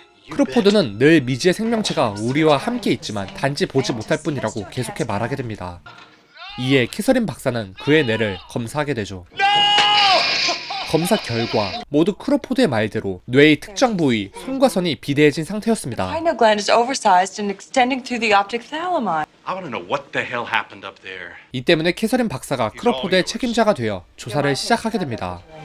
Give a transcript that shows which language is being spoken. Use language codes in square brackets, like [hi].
[ko] 크로포드는 늘 미지의 생명체가 우리와 함께 있지만 단지 보지 못할 뿐이라고 계속해 말하게 됩니다. 이에 캐서린 박사는 그의 뇌를 검사하게 되죠. 검사 결과 모두 크로포드의 말대로 뇌의 특정 부위 손과 선이 비대해진 상태였습니다. [en] Pineal gland is oversized and extending through the optic thalamus. I want to know what the hell happened up there. [ko] 이 때문에 캐서린 박사가 크로포드의 책임자가 되어 조사를 시작하게 됩니다.